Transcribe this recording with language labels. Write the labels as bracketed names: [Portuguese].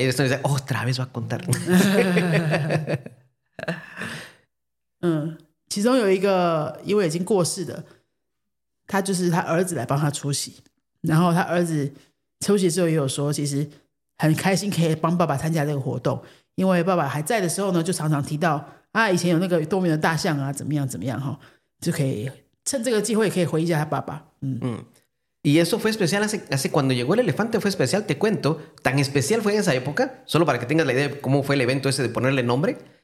[Spanish] Y después dice, otra vez va a contar. [Chinese] 嗯，其中有一个因为已经过世的，他就是他儿子来帮他出席，然后他儿子出席之后也有说，其实很开心可以帮爸爸参加这个活动，因为爸爸还在的时候呢，就常常提到啊，以前有那个动物园的大象啊，怎么样怎么样哈，就可以趁这个机会可以回忆一下他爸爸。 [Spanish] 嗯 ，y eso fue especial hace cuando llegó el elefante fue especial te cuento tan especial fue en esa época solo para que tengas la idea de cómo fue el evento ese de ponerle nombre。